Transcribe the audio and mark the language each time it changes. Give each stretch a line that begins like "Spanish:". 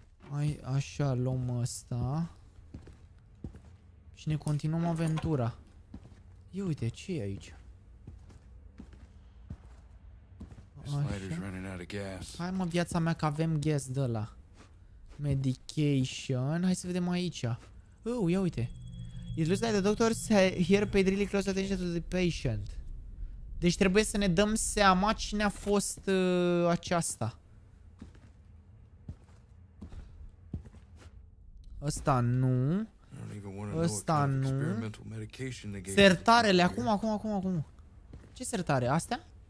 Romanian: Hai, așa, luăm ăsta. Și ne continuăm aventura. Ia uite, ce e aici? Așa. Hai mă, viața mea, că avem gas de ăla. Medication. Hai să vedem aici. Ia uite.
English: It looks like the doctors here paid really close attention to the patient.
Romanian: Deci trebuie să ne dăm seama cine a fost aceasta. Ăsta nu. Ăsta nu. Sertarele, acum. Ce sertare? Astea?